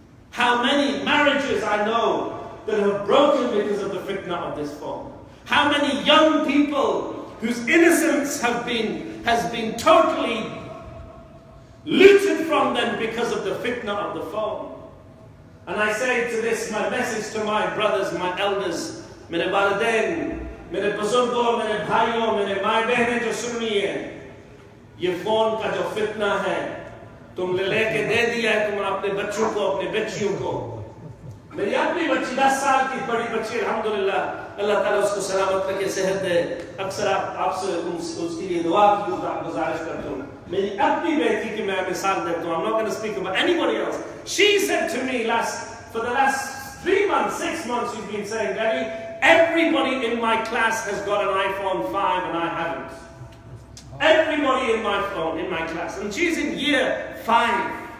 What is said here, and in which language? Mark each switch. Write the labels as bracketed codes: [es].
[en] How many marriages I know that have broken because of the fitna of this phone? How many young people whose innocence has been totally looted from them because of the fitna of the phone? And I say to this, my message to my brothers, my elders, [ur] میرے بلدین، میرے بزرگوں، میرے بھائیوں، میرے ماں بہنے جو سن رہی ہیں، یہ فون کا جو فتنہ ہے، تم لیکے دے دیا ہے تمنے اپنے بچوں کو، اپنے بچیوں کو۔ میری اپنی بچی 10 سال کی بڑی بچی، الحمدللہ، اللہ تعالیٰ اسکو سلامت رکھے، صحت دے۔ اکثر آپ سے اسکی لیے دعا کی گزارش کرتا ہوں۔ Meri apni behti ki main misal deta hoon, [en] I'm not going to speak about anybody else. She said to me for the last six months, you've been saying, Daddy, everybody in my class has got an iPhone 5 and I haven't. Everybody in my class. And she's in year 5.